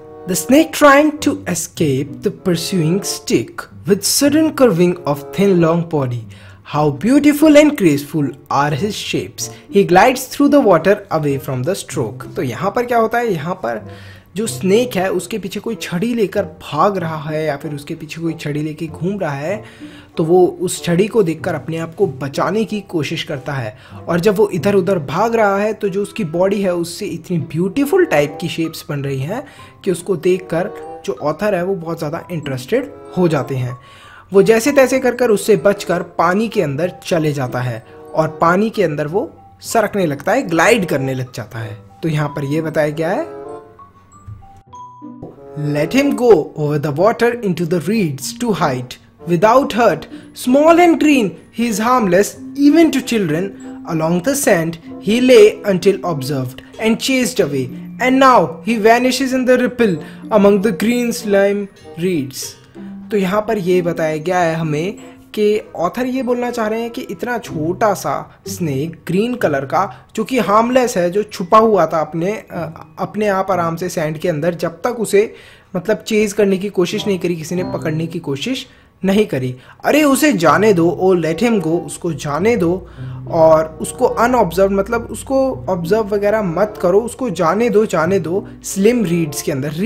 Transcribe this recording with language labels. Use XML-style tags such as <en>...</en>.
<en>The snake trying to escape the pursuing stick with sudden curving of thin long body. How beautiful and graceful are his shapes. He glides through the water away from the stroke.</en> <hi>तो यहाँ पर क्या होता है, यहाँ पर जो snake है उसके पीछे कोई छड़ी लेकर भाग रहा है या फिर उसके पीछे कोई छड़ी लेकर घूम रहा है, तो वो उस छड़ी को देखकर अपने आप को बचाने की कोशिश करता है। और जब वो इधर उधर भाग रहा है तो जो उसकी बॉडी है उससे इतनी ब्यूटीफुल टाइप की शेप्स बन रही हैं कि उसको देखकर जो ऑथर है वो बहुत ज़्यादा इंटरेस्टेड हो जाते हैं। वो जैसे तैसे कर उससे बचकर पानी के अंदर चले जाता है और पानी के अंदर वो सरकने लगता है, ग्लाइड करने लग जाता है। तो यहाँ पर यह बताया गया है,</hi> <en>Let him go over the water into the reeds to hide without hurt. Small and green, he is harmless even to children. Along the sand, he lay until observed and chased away. And now he vanishes in the ripple among the green slime reeds.</en> <hi>तो यहाँ पर ये बताया गया है हमें कि author ये बोलना चाह रहे हैं कि इतना छोटा सा स्नेक ग्रीन कलर का, जो कि हार्मलेस है, जो छुपा हुआ था अपने आप आराम से सैंड के अंदर, जब तक उसे मतलब चेज करने की कोशिश नहीं करी, किसी ने पकड़ने की कोशिश नहीं करी, अरे उसे जाने दो,</hi> <en>oh let him go,</en> <hi>उसको जाने दो और उसको अनऑब्जर्व मतलब उसको ऑब्जर्व वगैरह मत करो, उसको जाने दो स्लिम रीड्स के अंदर।</hi>